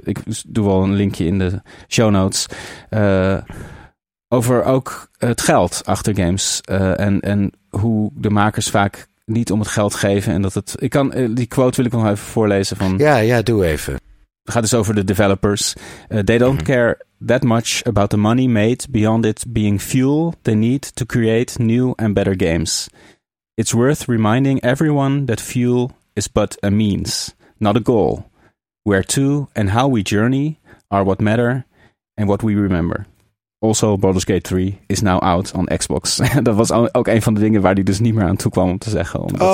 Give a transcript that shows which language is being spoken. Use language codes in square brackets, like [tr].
[nl] Ik doe wel een linkje in de show notes. Over ook het geld achter games en hoe de makers vaak niet om het geld geven en dat het... die quote wil ik nog even voorlezen van... Ja, doe even. Het gaat dus over de developers. [en] They don't care that much about the money made beyond it being fuel they need to create new and better games. It's worth reminding everyone that fuel is but a means, not a goal. Where to and how we journey are what matter and what we remember. Also, Baldur's Gate 3 is now out on Xbox. [nl] Dat was ook een van de dingen waar hij dus niet meer aan toe kwam om te zeggen.